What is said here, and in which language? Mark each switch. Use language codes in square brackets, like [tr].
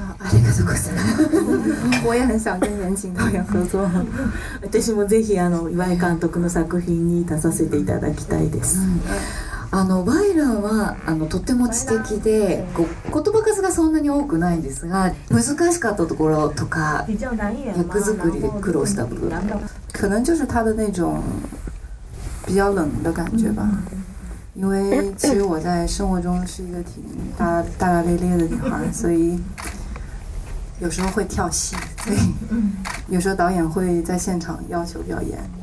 [zh] 我也很想跟人情导演合作。 [ja] 私もぜひ岩井監督の作品に出させていただきたいです。バイランはとっても知的で、言葉数がそんなに多くないんですが、難しかったところとか役作りで苦労した部分。 [zh] 可能就是他的那种比较冷的感觉吧。因为其实我在生活中是一个挺大大咧咧的女孩，所以。有时候会跳戏，所以有时候导演会在现场要求表演。